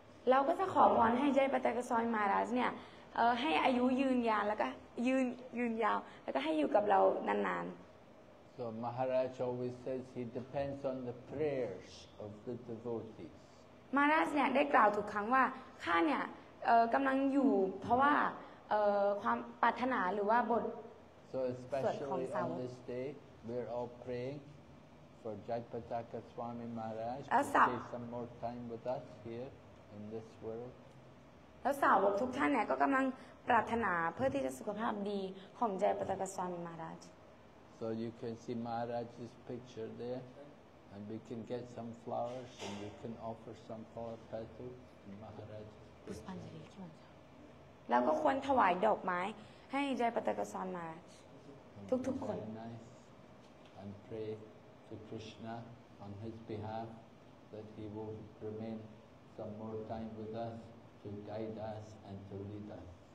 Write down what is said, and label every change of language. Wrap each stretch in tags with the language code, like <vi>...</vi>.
<th>เราก็จะขอพรให้Jaipataka Swami Maharaj เนี่ยให้อายุยืนยาวแล้วก็ยืนยาวแล้วก็ให้อยู่กับเรานาน</th> <en>ๆ So Maharaj always says he depends on the prayers of the devotees.</en> <th>Maharaj เนี่ยได้กล่าวทุกครั้งว่าข้าเนี่ยกำลังอยู่เพราะว่าความปรารถนาหรือว่าบท</th> <en>So especially on this day, we are all praying for Jaipataka Swami Maharaj to stay some more time with us here in this world.</en> <th>แล้วสาวกทุกท่านเนี่ยก็กำลังปรารถนาเพื่อที่จะสุขภาพดีของ Jaipataka Swami Maharaj.</th> <en>So you can see Maharaj's picture there, and we can get some flowers, and we can offer some flower petals to Maharaj.</en> <th>แล้วก็ควรถวายดอกไม้ให้ใจปัตตกสรมาทุกๆคน</th> <en>nice and pray to Krishna on his behalf that he will remain some more time with us to guide us and to lead us</en>